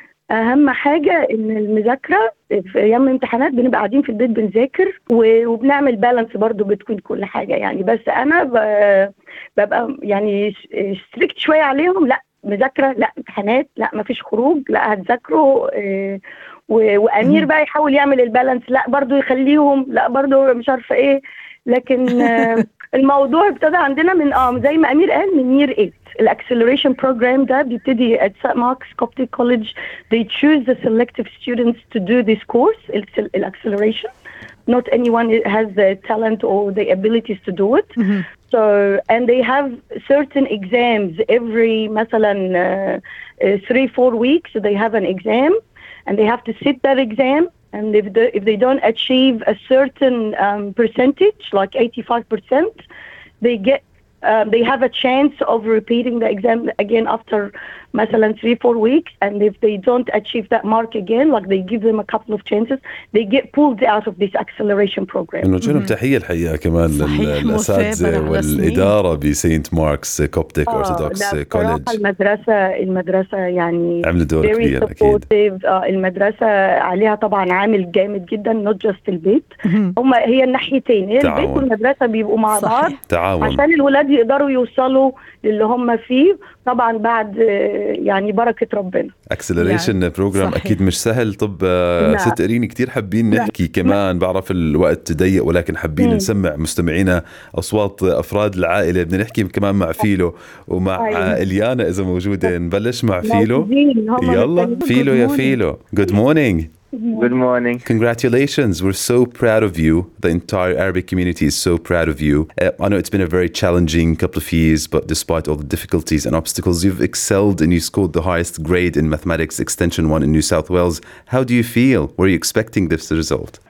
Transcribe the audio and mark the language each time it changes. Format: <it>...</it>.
<ar>أهم حاجة إن المذاكرة في أيام الامتحانات بنبقى قاعدين في البيت بنذاكر وبنعمل بالانس برضو بتكون كل حاجة يعني بس أنا ببقى يعني استريكت شوية عليهم. لا مذاكرة لا امتحانات لا ما فيش خروج لا هتذاكروا وأمير بقى يحاول يعمل البالانس، لا برضو يخليهم، لا برضو مش عارف إيه. لكن الموضوع ابتدى عندنا من زي ما أمير قال من year 8 الأكسلوريشن بروجرام ده بيبتدي at St.</ar> <en>Mark's Coptic College. They choose the selective students to do this course الأكسلوريشن. Not anyone has the talent or the abilities to do it. Mm-hmm. So, and they have certain exams every, مثلاً, 3-4 weeks. So they have an exam, and they have to sit that exam. And if they don't achieve a certain percentage, like 85%, they get they have a chance of repeating the exam again after, مثلاً, 3-4 weeks. And if they don't achieve that mark again, like they give them a couple of chances, they get pulled out of this acceleration program.</en> <ar>إنه جنب تحية الحقيقة كمان للأساتذة والإدارة بسينت ماركس كوبتيك أرثوذكس كوليدج. المدرسة يعني عمل دور كبير أكيد. المدرسة عليها طبعا عامل جامد جدا،</ar> <en>not just</en> <ar>البيت. هما هي الناحيتين، البيت والمدرسة بيبقوا مع بعض عشان الولاد يقدروا يوصلوا للي هم فيه طبعا بعد يعني بركة ربنا. Acceleration program أكيد مش سهل. طب ست إيرين كتير حابين نحكي كمان، بعرف الوقت ضيق ولكن حابين نسمع مستمعينا أصوات أفراد العائلة، بدنا نحكي كمان مع فيلو ومع إليانا إذا موجودة. نبلش مع فيلو، يلا فيلو يا فيلو.</ar> <en>Good morning. Good morning. Congratulations. We're so proud of you. The entire Arabic community is so proud of you. I know it's been a very challenging couple of years, but despite all the difficulties and obstacles, you've excelled and you scored the highest grade in mathematics extension 1 in New South Wales. How do you feel? Were you expecting this result?</en>